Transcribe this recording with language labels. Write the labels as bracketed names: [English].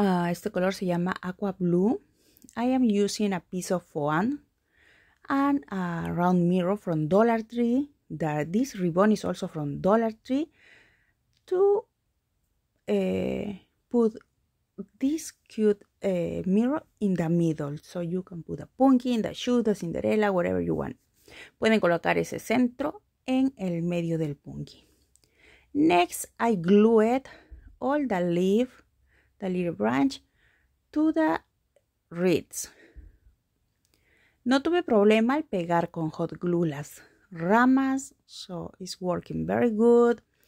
[Spanish] Este color se llama [English] aqua blue. I am using a piece of foam and a round mirror from Dollar Tree. This ribbon is also from Dollar Tree to put this cute mirror in the middle. So you can put a pumpkin, the shoe, the Cinderella, whatever you want. [Spanish] Pueden colocar ese centro en el medio del pumpkin. [English] Next, I glue it, all the leaf, the little branch, to the wreaths. [Spanish] No tuve problema al pegar con hot glue las ramas, [English] so it's working very good.